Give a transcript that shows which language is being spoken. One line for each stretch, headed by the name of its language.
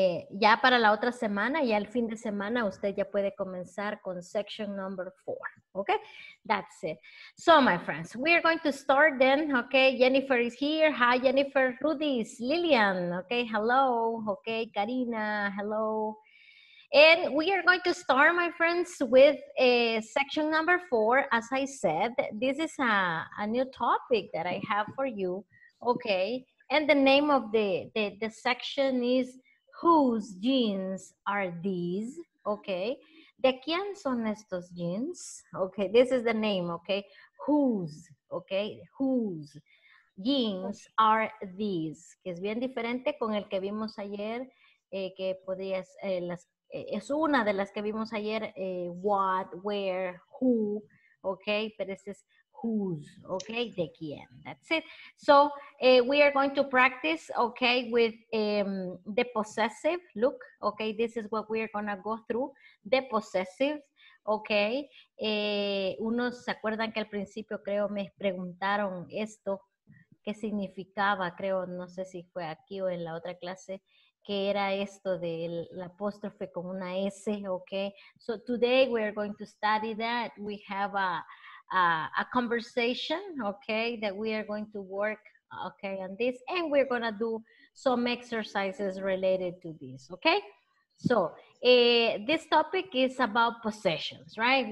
Spanish: Ya para la otra semana, ya el fin de semana, usted ya puede comenzar con
English: section number 4,
Spanish: okay? That's it.
English: So, my friends, we are going to start then, okay? Jennifer is here. Hi, Jennifer. Rudy is Lillian, okay? Hello, okay? Karina, hello. And we are going to start, my friends, with section number 4. As I said, this is a new topic that I have for you, okay? And the name of the section is Whose Jeans Are These?
Spanish: Okay. ¿De quién son estos jeans?
English: Okay, this is the name, okay? Whose, okay? Whose jeans are these?
Spanish: Que es bien diferente con el que vimos ayer, que podías, es una de las que vimos ayer,
English: what, where, who,
Spanish: okay? Pero este es Whose, okay, de quién,
English: that's it. So, we are going to practice, okay, with the possessive, look, okay, this is what we are going to go through, the possessive, okay.
Spanish: Unos se acuerdan que al principio creo me preguntaron esto, qué significaba, creo, no sé si fue aquí o en la otra clase, qué era esto del apóstrofe con una S, okay.
English: So, today we are going to study that, we have a conversation, okay, that we are going to work, okay, on this, and we're gonna do some exercises related to this, okay? So, this topic is about possessions, right?